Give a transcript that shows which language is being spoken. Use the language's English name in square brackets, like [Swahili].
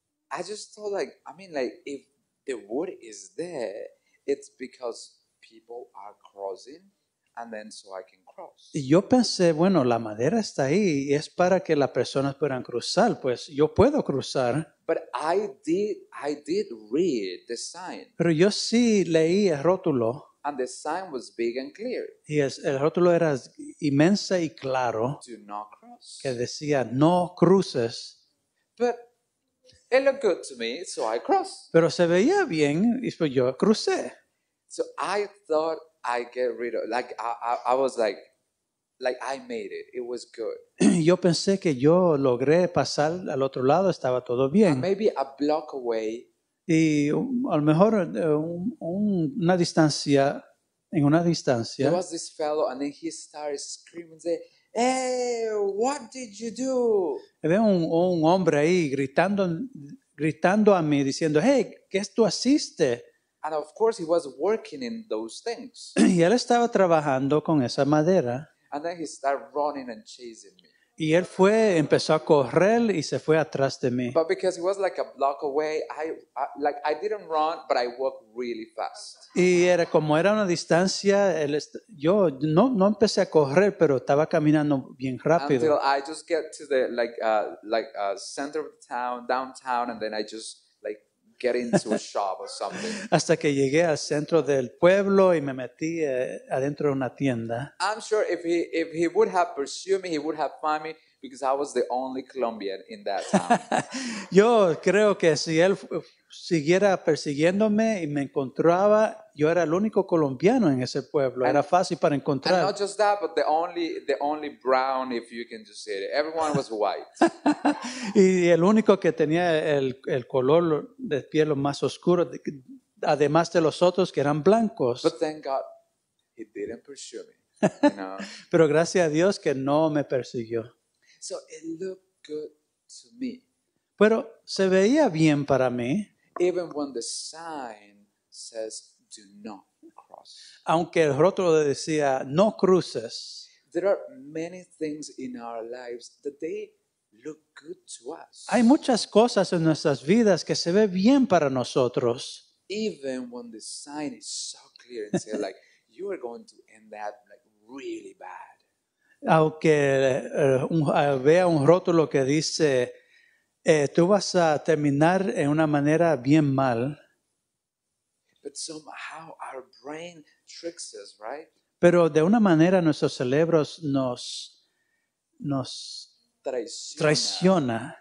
[English] I just thought like, I mean like, if the wood is there, it's because people are crossing, and then so I can cross. [Spanish] Y yo pensé, bueno, la madera está ahí, y es para que las personas puedan cruzar, pues yo puedo cruzar. [English] But I did read the sign. [Spanish] Pero yo sí leí el rótulo. [English] And the sign was big and clear. [Spanish] Yes, el rótulo era inmensa y claro. [English] Do not cross. [Spanish] Que decía, no cruces. [English] But it looked good to me, so I crossed. [Spanish] Pero se veía bien, y pues yo crucé. [English] So I thought I get rid of, like, I was like, I made it. It was good. [Spanish] Yo pensé que yo logré pasar al otro lado, estaba todo bien. [English] And maybe a block away. [Spanish] Y a lo mejor una distancia, en una distancia. [English] There was this fellow, and then he started screaming, saying, hey, what did you do? [Spanish] Había un hombre ahí gritando a mí, diciendo, hey, ¿qué es tu asiste? [English] And of course, he was working in those things. [Spanish] Y él estaba trabajando con esa madera. [English] And then he started running and chasing me. [Spanish] Y él fue, empezó a correr y se fue atrás de mí. [English] But because he was like a block away, I didn't run, but I walked really fast. [Spanish] Y era como era una distancia, yo no empecé a correr, pero estaba caminando bien rápido. [English] Until I just get to the center of the town, downtown, and then I just get into a shop or something. [Spanish] Hasta que llegué al centro del pueblo y me metí adentro de una tienda. [English] I'm sure if he would have pursued me, he would have found me because I was the only Colombian in that town. [Spanish] Yo creo que si él siguiera persiguiéndome y me encontraba, yo era el único colombiano en ese pueblo. Era fácil para encontrar. [English] And not just that, but the only brown, if you can just say it. Everyone was white. [Spanish] Y el único que tenía el color de piel más oscuro, además de los otros que eran blancos. [English] But thank God, he didn't pursue me. [Spanish] Pero gracias a Dios que no me persiguió. [English] So it looked good to me. [Spanish] Pero se veía bien para mí. [English] Even when the sign says, do not cross. [Spanish] Aunque el rótulo decía, no cruces. [English] There are many things in our lives that they look good to us. [Spanish] Hay muchas cosas en nuestras vidas que se ve bien para nosotros. [English] Even when the sign is so clear and say, like, you are going to end that like really bad. [Spanish] Aunque vea un rótulo que dice, tú vas a terminar en una manera bien mal. [English] But somehow our brain tricks us, right? [Spanish] Pero de una manera nuestros cerebros nos traiciona.